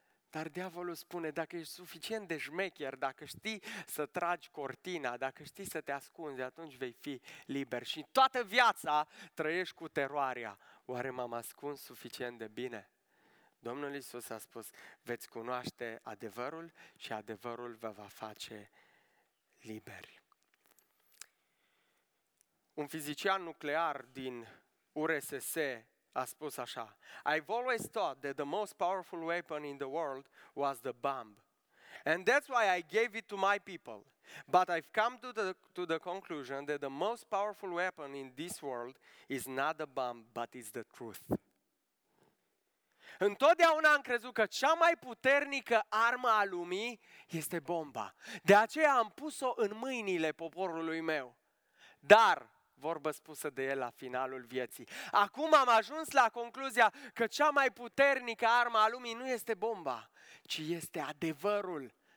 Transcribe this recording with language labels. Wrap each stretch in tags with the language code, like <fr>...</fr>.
<ro>Dar diavolul spune, dacă ești suficient de șmecher, dacă știi să tragi cortina, dacă știi să te ascunzi, atunci vei fi liber. Și toată viața trăiești cu teroarea. Oare m-am ascuns suficient de bine? Domnul Iisus a spus, veți cunoaște adevărul și adevărul vă va face liberi. Un fizician nuclear din URSS a spus așa,</ro> <en>I've always thought that the most powerful weapon in the world was the bomb. And that's why I gave it to my people. But I've come to the conclusion that the most powerful weapon in this world is not the bomb, but is the truth.</en> <ro>Întotdeauna am crezut că cea mai puternică armă a lumii este bomba. De aceea am pus-o în mâinile poporului meu. Dar, vorbă spusă de el la finalul vieții, acum am ajuns la concluzia că cea mai puternică armă a lumii nu este bomba, ci este adevărul.</ro>